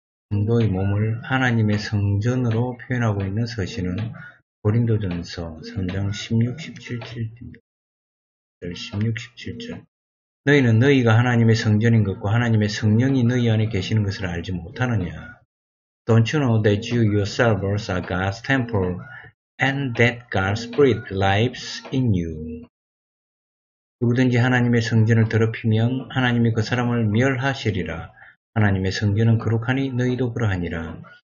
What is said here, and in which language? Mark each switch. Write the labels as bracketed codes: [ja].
[ko] 성도의 몸을 하나님의 성전으로 표현하고 있는 서신은 고린도전서 3장 16, 17절입니다. 16, 17절. 너희는 너희가 하나님의 성전인 것과 하나님의 성령이 너희 안에 계시는 것을 알지 못하느냐? [en] Don't you know that you yourselves are God's temple and that God's spirit lives in you? [ko] 누구든지 하나님의 성전을 더럽히면 하나님이 그 사람을 멸하시리라. 하나님의 성전은 거룩하니 너희도 그러하니라.